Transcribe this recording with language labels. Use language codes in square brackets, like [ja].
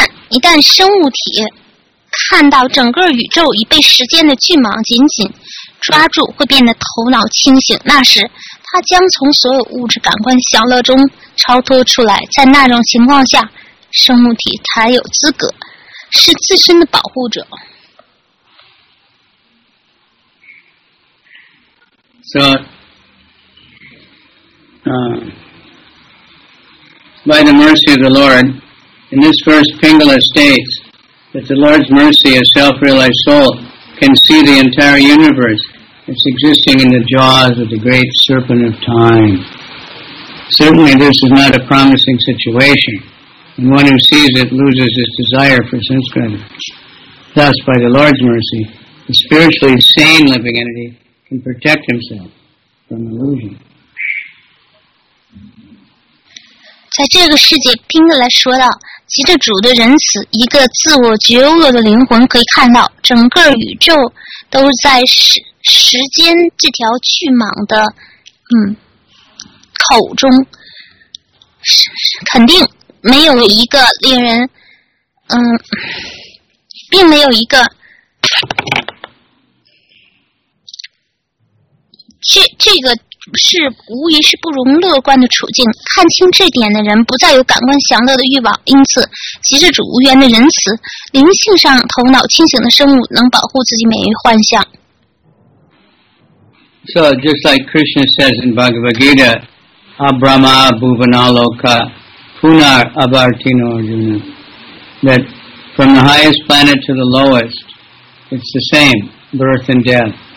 [zh] 一旦生物体看到整个宇宙已被时间的巨蟒紧紧抓住，会变得头脑清醒，那时他将从所有物质感官享乐中超脱出来，在那种情况下，生物体才有资格是自身的保护者。 [en] So, by the mercy of the Lord, in this verse, Pingala states that the Lord's mercy, a self-realized soul, can see the entire universe. It's existing in the jaws of the great serpent of time. Certainly this is not a promising situation, and one who sees it loses his desire for sense gratification. Thus, by the Lord's mercy, the spiritually sane living entity can protect himself from illusion. [zh] 在这个世界，听得来说道，即着主的仁慈，一个自我觉悟的灵魂可以看到整个宇宙都在时间这条巨蟒的口中，肯定没有一个令人并没有一个这个是无疑是不容乐观的处境。看清这点的人不再有感官享乐的欲望，因此即是主无缘的仁慈，灵性上头脑清醒的生物能保护自己免于幻象。 [en] So just like Krishna says in Bhagavad Gita, Abrahma Bhuvanaloka Punar Abartino Arjuna, that from the highest planet to the lowest, it's the same, birth and death.